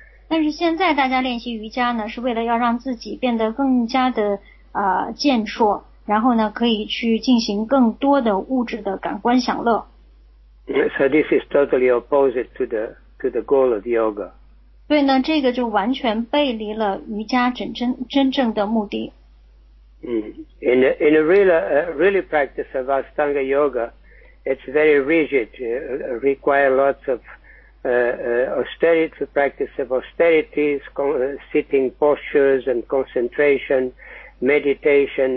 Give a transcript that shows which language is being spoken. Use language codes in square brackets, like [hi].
[zh] 但是现在大家练习瑜伽呢，是为了要让自己变得更加的健硕，然后呢，可以去进行更多的物质的感官享乐。 [en] So this is totally opposite to the goal of yoga. [zh] 对呢，这个就完全背离了瑜伽真正的目的。 [en] In a really practice of Ashtanga yoga, it's very rigid, require lots of austerity, practice of austerities, sitting postures and concentration, meditation.